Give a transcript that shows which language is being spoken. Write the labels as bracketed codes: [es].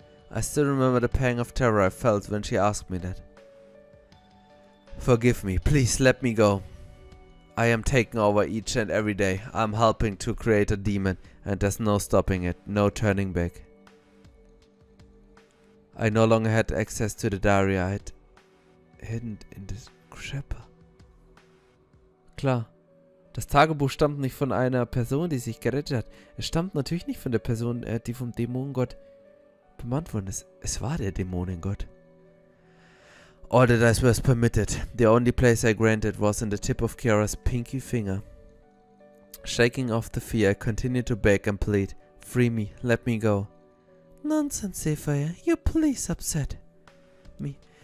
[en] I still remember the pang of terror I felt when she asked me that. Forgive me, please let me go. I am taking over each and every day. I'm helping to create a demon, and there's no stopping it, no turning back. I no longer had access to the diary I had hidden in the crypt. [de] Klar, das Tagebuch stammt nicht von einer Person, die sich gerettet hat. Es stammt natürlich nicht von der Person, die vom Dämonengott bemannt worden ist. Es war der Dämonengott. [en] All that I was permitted. The only place I granted was in the tip of Kiara's pinky finger. Shaking off the fear, I continued to beg and plead. Free me. Let me go. Nonsense, Sifaya. You please upset me.